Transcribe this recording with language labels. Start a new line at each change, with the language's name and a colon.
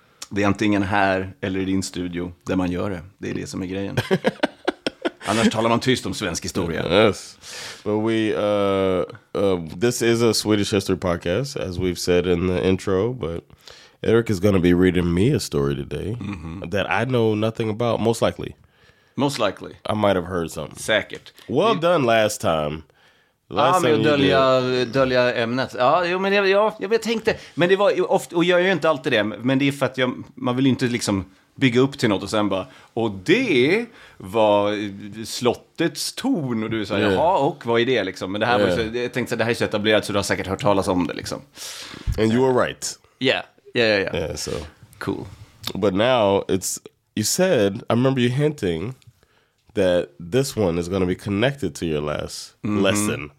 Swedish: Det är antingen här eller i din studio där man gör det. Det är det som är grejen. Annars talar man tyst om svensk historia.
English: Yes. But this is a Swedish history podcast, as we've said in the intro. But Eric is going to be reading me a story today that I know nothing about, most likely. Most likely. I might have heard something.
Swedish: Säkert.
English: Well done last time.
Swedish: Dölja ämnet. Ja, men jag tänkte, men det var ofta, och jag gör ju inte alltid det, men det är för att man vill ju inte liksom bygga upp till något och sen bara, och det var slottets torn, och du sa, jaha, och vad är det liksom? Men det här var så, jag tänkte så, det här är så etablerat så du har säkert hört talas om det liksom.
English: And you were right. Yeah, so. Cool. But now, you said, I remember you hinting that this one is going to be connected to your last lesson.